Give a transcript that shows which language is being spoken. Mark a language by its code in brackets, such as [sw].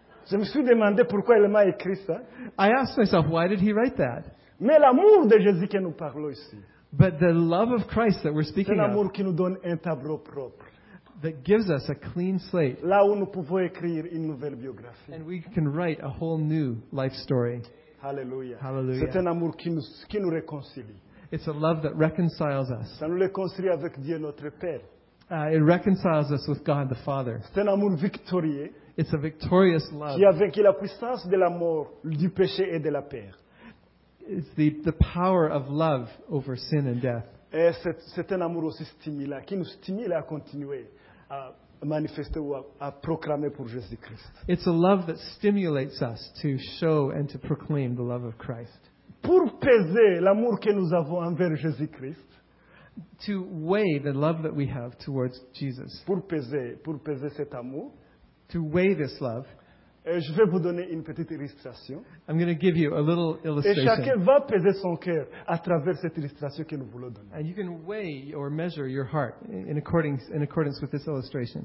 [fr] Je me suis demandé pourquoi il m'a écrit ça. [en] I asked myself, why did he write that? [fr] Mais l'amour de Jésus que nous parlons ici, [en] but the love of Christ that we're speaking [fr] c'est l'amour [en] of, [fr] qui nous donne un tableau propre, [en] that gives us a clean slate, [fr] là où nous pouvons écrire une nouvelle biographie. [en] And we can write a whole new life story. [fr] Hallelujah. [en] Hallelujah. [fr] C'est un amour qui nous réconcilie. [en] It's a love that reconciles us. [fr] Ça nous réconcilie avec Dieu notre Père. [en] It reconciles us with God the Father. [fr] C'est un amour victorieux. [en] It's a victorious love. [fr] Qui a vaincu la puissance de la mort, du péché et de la peur. [en] It's the power of love over sin and death. [fr] Et c'est un amour aussi stimulant qui nous stimule à continuer à manifester ou à proclamer pour Jésus-Christ. [en] It's a love that stimulates us to show and to proclaim the love of Christ. [fr] Pour peser l'amour que nous avons envers Jésus-Christ. [en] To weigh the love that we have towards Jesus. [fr] Pour peser cet amour. [en] To weigh this love. [fr] Je vais vous donner une petite illustration. [en] I'm going to give you a little illustration. [fr] Et chacun va peser son cœur à travers cette illustration que nous voulons donner. [en] And you can weigh or measure your heart in accordance with this illustration.